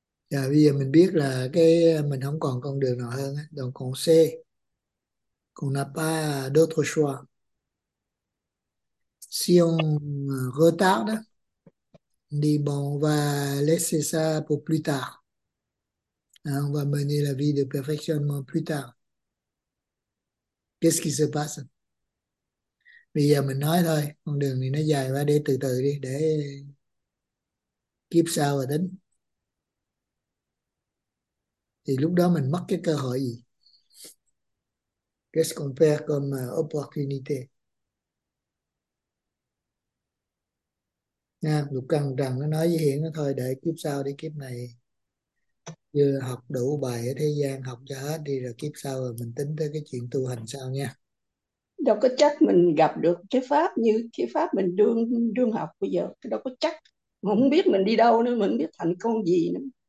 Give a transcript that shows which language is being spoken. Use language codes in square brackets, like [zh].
[vi] Dạ, bây giờ mình biết là cái mình không còn con đường nào hơn, còn con C, còn [fr] n'a pas d'autre choix. Si on retarde, dit bon, on va laisser ça pour plus tard. Hein, on va mener la vie de perfectionnement plus tard. Qu'est-ce qui se passe? [vi] Bây giờ mình nói thôi, con đường này nó dài quá, để từ từ đi, để kiếp sau và tính. Thì lúc đó mình mất cái cơ hội gì? [fr] Qu'est-ce qu'on perd comme opportunité? [vi] Nha, Lục Căng Trần nó nói với Hiển nó thôi, để kiếp sau đi, kiếp này vừa học đủ bài ở thế gian, học cho hết đi rồi kiếp sau rồi mình tính tới cái chuyện tu hành sau nha. Đâu có chắc mình gặp được cái pháp như cái pháp mình đương đương học bây giờ, đâu có chắc, mình không biết mình đi đâu nữa, mình không biết thành công gì nữa.